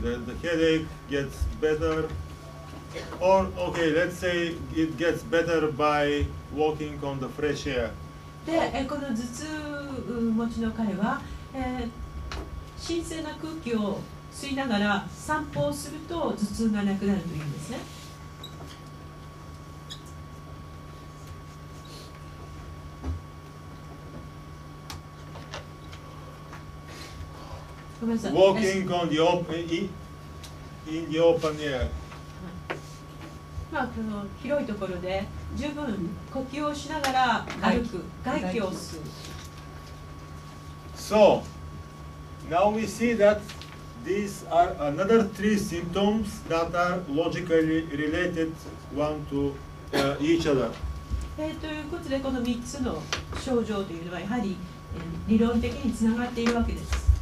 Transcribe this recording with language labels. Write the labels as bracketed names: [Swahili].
[English] The headache gets better, or okay, let's say it gets better by walking on the fresh air. [Japanese] で、この頭痛持ちの彼は、新鮮な空気を吸いながら散歩をすると頭痛がなくなるというんですね。 [English] Walking on the open in the open air. [Japanese] まあこの広いところで十分呼吸をしながら歩く外気を吸う。 [English] So now we see that these are another three symptoms that are logically related one to each other. [Japanese] ということでこの3つの症状というのはやはり理論的につながっているわけです。